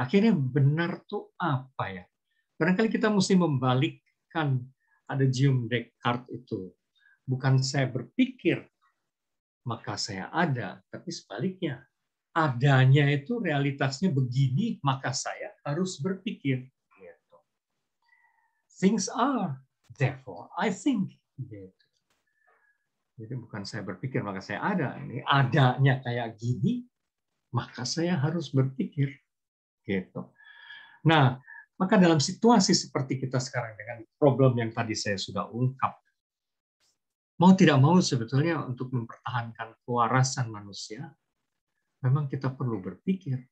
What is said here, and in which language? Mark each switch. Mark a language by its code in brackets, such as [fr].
[id] Akhirnya benar tuh apa ya? Barangkali kita mesti membalikkan ada Jim Descartes itu. Bukan saya berpikir, maka saya ada, tapi sebaliknya, adanya itu realitasnya begini, maka saya harus berpikir. Gitu. [en] Things are, therefore I think. [id] Gitu. Jadi bukan saya berpikir, maka saya ada. Ini adanya kayak gini, maka saya harus berpikir. Gitu. Nah, maka dalam situasi seperti kita sekarang dengan problem yang tadi saya sudah ungkap, mau tidak mau sebetulnya untuk mempertahankan kewarasan manusia, memang kita perlu berpikir.